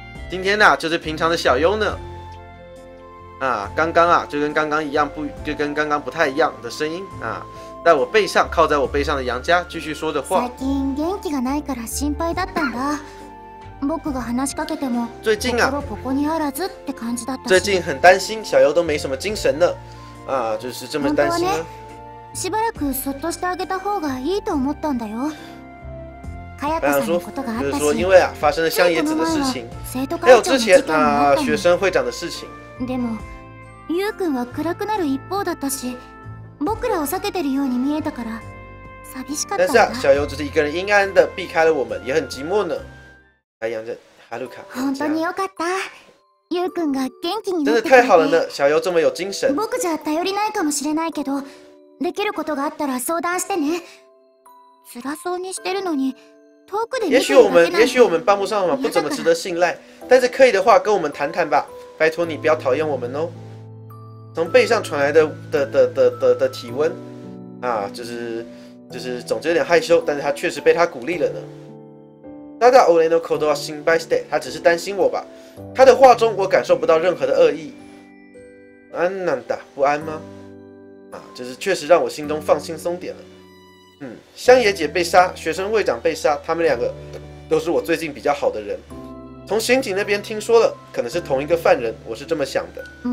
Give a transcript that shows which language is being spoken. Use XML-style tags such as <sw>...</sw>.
<zh>今天呢、啊，就是平常的小优呢。啊，刚刚啊，就跟刚刚一样，就跟刚刚不太一样的声音啊，在我背上，靠在我背上的杨家继续说着话。</zh> <ja>最近元気がないから心配だったんだ。僕が話しかけても心ここにあらずって感じだったし。</ja> <zh>最近很担心，小优都没什么精神了，啊，就是这么担心呢。</zh> <ja>しばらくそっとしてあげた方がいいと思ったんだよ。かやこさんのことがあったし、</ja> <zh>就是说因为啊发生了香野子的事情、</zh> <ja>生徒会長の事件もあったの。</ja> <zh>学生会長的事情。</zh> <ja>でも、ゆうくんは暗くなる一方だったし、僕らを避けてるように見えたから、寂しかったんだ。</ja> <zh>但是啊、小優只是一个人阴暗的避开了我们，也很寂寞呢。太阳镇、ハルカ。</zh> <ja>本当によかった。ゆうくんが元気になってくれて。</ja> <zh>真的太好了呢、小優这么有精神。</zh> <ja>僕じゃ頼りないかもしれないけど。できることがあったら相談してね。辛そうにしてるのに遠くで見てるだけなんて。</ja> <zh>也许我们帮不上忙，不怎么值得信赖。但是可以的话，跟我们谈谈吧。拜托你不要讨厌我们哦。从背上传来的体温，啊，就是总之有点害羞，但是他确实被他鼓励了呢。</zh> <ja>ただ俺のことは心配して，</ja> <zh>他只是担心我吧。他的话中我感受不到任何的恶意。</zh> <ja>あんなんだ，</ja> <zh>不安吗？啊，就是确实让我心中放轻松点了。嗯，香野姐被杀，学生会长被杀，他们两个都是我最近比较好的人。从刑警那边听说了，可能是同一个犯人，我是这么想的。</zh>